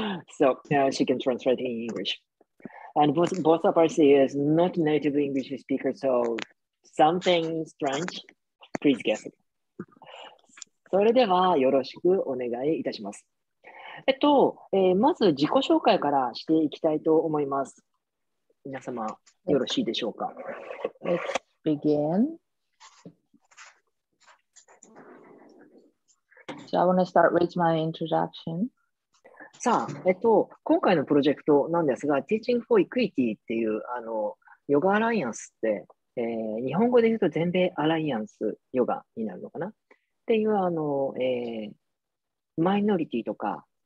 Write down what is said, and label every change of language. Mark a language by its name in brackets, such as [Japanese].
[English] So now she can translate in English. And both of us are not native English speakers, so something strange, please guess. [Japanese] それではよろしくお願いいたします。まず自己紹介からしていきたいと思います。皆様、よろしいでしょうか。 [English] Let's begin. So I want to start with my introduction. [Japanese] さあ、今回のプロジェクトなんですが、Teaching for Equity っていうヨガアライアンスって、日本語で言うと全米アライアンスヨガになるのかなっていう、マイノリティとか、